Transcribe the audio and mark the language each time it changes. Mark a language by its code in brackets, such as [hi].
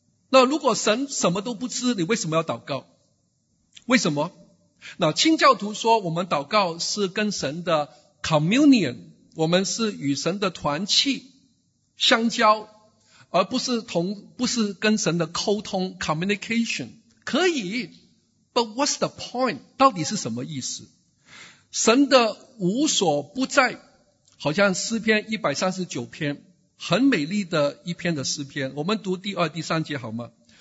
[zh] 那如果神什么都不知，你为什么要祷告？为什么？那清教徒说我们祷告是跟神的 communion, 我们是与神的团契相交，而不是跟神的沟通 communication。可以， [en] but what's the point? [zh] 到底是什么意思？神的无所不在，好像诗篇139篇很美丽的一篇的诗篇，我们读第二第三节好吗？